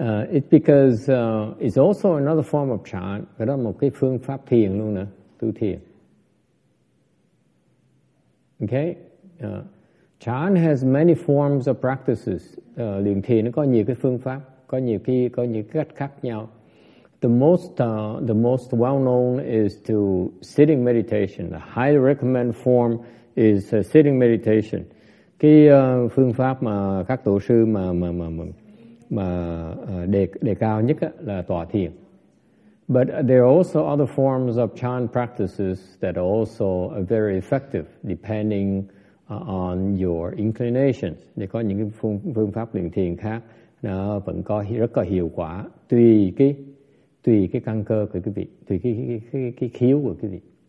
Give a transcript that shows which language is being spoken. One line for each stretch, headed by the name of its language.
English: It's because it's also another form of chan,
Vietnamese: cái đó một cái phương pháp thiền luôn nữa, tu thiền.
English: Okay? Chan has many forms of practices.
Vietnamese: Luyện thiền nó có nhiều cái phương pháp, có nhiều cái cách khác nhau.
English: The most well known is to sitting meditation. The highly recommended form is sitting meditation.
Vietnamese: Cái phương pháp mà các tổ sư mà đề cao nhất á, là tọa thiền.
English: But there are also other forms of chan practices that are also very effective depending on your inclinations.
Vietnamese: Để có những phương pháp luyện thiền khác nó vẫn có rất là hiệu quả tùy cái căn cơ của quý vị, tùy cái khiếu của quý vị.